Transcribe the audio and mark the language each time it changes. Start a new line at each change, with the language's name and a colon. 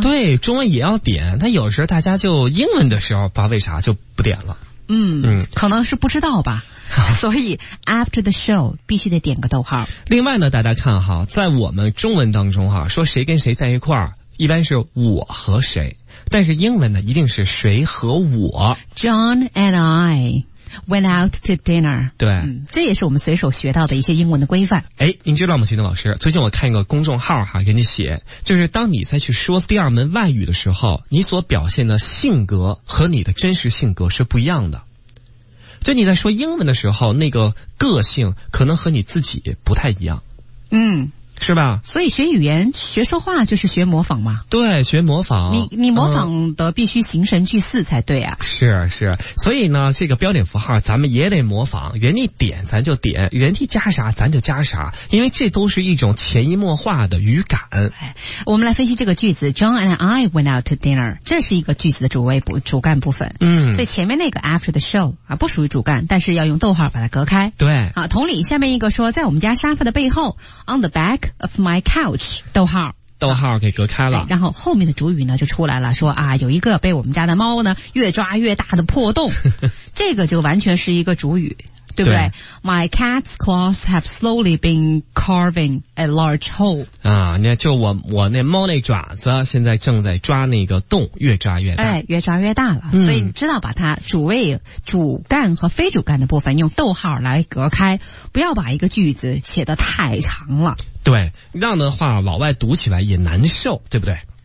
Chinese: 对，中文也要点，但有时候大家就英文的时候不知道为啥就不点了。可能是不知道吧。所以
English: after the show
Chinese: 必须得点个逗号。另外呢，大家看哈，在我们中文当中哈，说谁跟谁在一块儿，一般是我和谁，但是英文呢一定是谁和我。
English: John and I went out to dinner。
Chinese: 对，这也是我们随手学到的一些英文的规范。哎，您知道吗，秦东老师，最近我看一个公众号哈，给你写，就是当你再去说第二门外语的时候，你所表现的性格和你的真实性格是不一样的，就你在说英文的时候那个个性可能和你自己不太一样。是吧，所以学语言学说话就是学模仿嘛。对，学模仿，你模仿的必须形神俱似才对啊。是是，所以呢这个标点符号咱们也得模仿，人家点咱就点，人家加啥咱就加啥，因为这都是一种潜移默化的语感。我们来分析这个句子，
English: John and I went out to dinner，
Chinese: 这是一个句子的主干部分。所以前面那个
English: after the show
Chinese: 啊，不属于主干，但是要用逗号把它隔开。对啊，同理下面一个说在我们家沙发的背后，
English: on the backof my couch，
Chinese: 逗号，逗号给隔开了，然后后面的主语呢就出来了，说啊有一个被我们家的猫呢越抓越大的破洞。这个就完全是一个主语，对不对，
English: 对， My cat's claws have slowly been carving a large hole。
Chinese: 啊，那就我那猫那爪子现在正在抓那个洞，越抓越大。哎，越抓越大了。所以你知道把它主谓主干和非主干的部分用逗号来隔开，不要把一个句子写得太长了。对，这样的话老外读起来也难受，对不对？